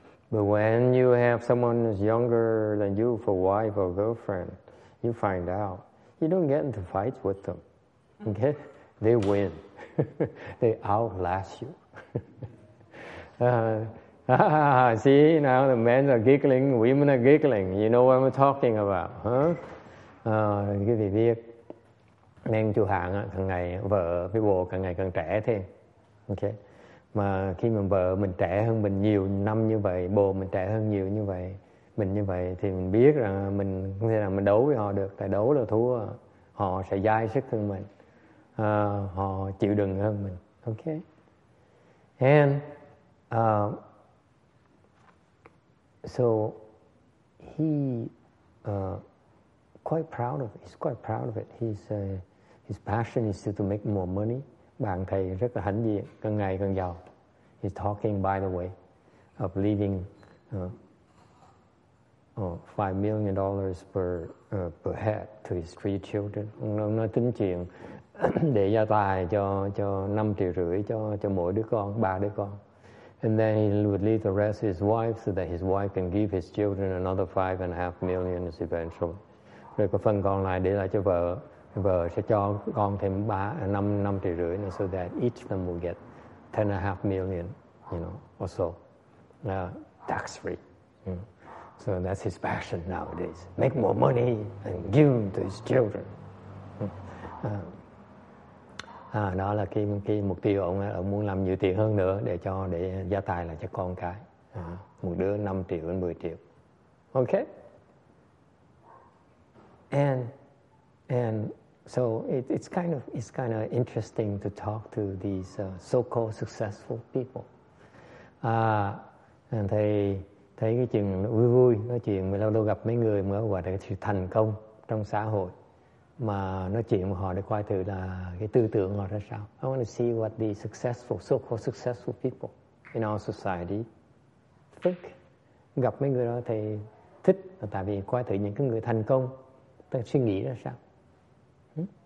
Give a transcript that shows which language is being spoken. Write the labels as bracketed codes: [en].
[en] But when you have someone who's younger than you for wife or girlfriend, you find out, you don't get into fights with them, okay? They win. They outlast you. See, now the men are giggling, women are giggling. You know what I'm talking about, huh? [vi] Quý vị biết, nên chủ hạng càng ngày vợ với bồ càng ngày càng trẻ thêm, okay? Mà khi mà vợ mình trẻ hơn mình nhiều năm như vậy, bồ mình trẻ hơn nhiều như vậy, mình như vậy thì mình biết rằng mình không thể nào mình đấu với họ được, tại đấu là thua, họ sẽ dai sức hơn mình, họ chịu đựng hơn mình. [en] Okay. And so he's quite proud of it. His passion is still to make more money. [vi] Bạn thầy rất là hãnh diện, càng ngày càng giàu. [en] He's talking, by the way, of leaving $5,000,000 per head to his three children. [vi] Ông nói tính chuyện để gia tài cho 5 triệu rưỡi cho mỗi đứa con, ba đứa con. [en] And then he would leave the rest to his wife so that his wife can give his children another 5.5 million eventually. [vi] Rồi có phần còn lại để lại cho vợ. Vợ sẽ cho con thêm 5.5 triệu rưỡi nữa, [en] so that each of them will get 10.5 million, you know, or so. Tax free. Mm. So that's his passion nowadays. Make more money and give to his children. [vi] Đó là cái mục tiêu ông muốn làm nhiều tiền hơn nữa để gia tài là cho con cái. Một đứa 5 triệu đến 10 triệu. [en] Okay. And so it's kind of interesting to talk to these so-called successful people. [vi] And thấy cái chuyện vui nói chuyện, mà lâu lâu gặp mấy người mới gọi là sự thành công trong xã hội, mà nói chuyện với họ để coi thử là cái tư tưởng họ ra sao. [en] I want to see what the successful, so-called successful people in our society think. [vi] Gặp mấy người đó thì thích, là tại vì coi thử những cái người thành công ta suy nghĩ ra sao.